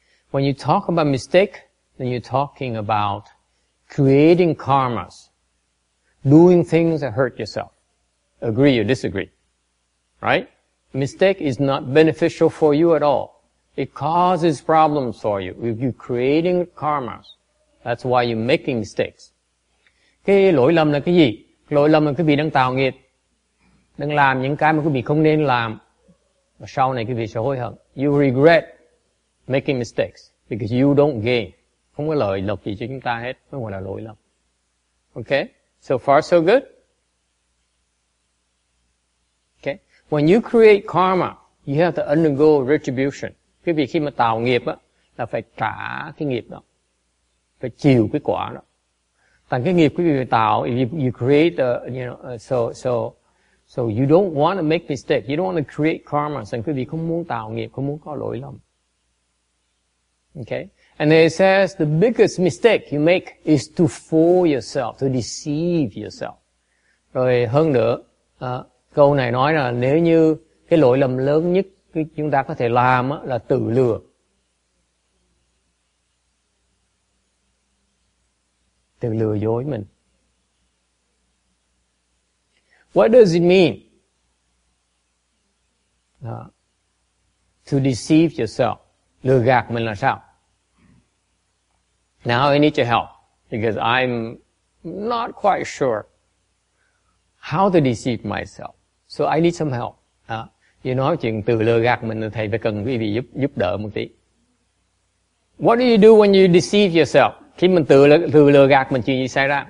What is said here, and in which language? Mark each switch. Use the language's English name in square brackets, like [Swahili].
[English] When you talk about mistake, then you're talking about creating karmas, doing things that hurt yourself. Agree or disagree, right? Mistake is not beneficial for you at all. It causes problems for you. If you're creating karmas, that's why you're making mistakes. [Vietnamese] Cái lỗi lầm là cái gì? Lỗi lầm là quý vị đang tạo nghiệp, đang làm những cái mà quý vị không nên làm. Và sau này quý vị sẽ hối hận. [English] You regret making mistakes because you don't gain. [Vietnamese] Không có lợi lộc gì cho chúng ta hết. Không gọi là lỗi lầm. Okay? [English] So far so good? Okay? When you create karma, you have to undergo retribution. [Vietnamese] Quý vị khi mà tạo nghiệp á, là phải trả cái nghiệp đó. Phải chịu cái quả đó. Tại cái nghiệp quý vị tạo, [English] if you create, so you don't want to make mistakes. You don't want to create karma. [Vietnamese] Rằng quý vị không muốn tạo nghiệp, không muốn có lỗi lầm. [English] Okay? And then it says the biggest mistake you make is to fool yourself, to deceive yourself. [Vietnamese] Rồi hơn nữa, câu này nói là nếu như cái lỗi lầm lớn nhất chúng ta có thể làm là tự lừa. Tự lừa dối mình. [English] What does it mean? To deceive yourself. [Vietnamese] Lừa gạt mình là sao? [English] Now I need your help because I'm not quite sure how to deceive myself. So I need some help. [Vietnamese] You nói chuyện tự lừa gạt mình thì thầy phải cần quý vị giúp đỡ một tí. [English] What do you do when you deceive yourself? [Vietnamese] Khi mình tự lừa gạt mình chuyện gì xảy ra?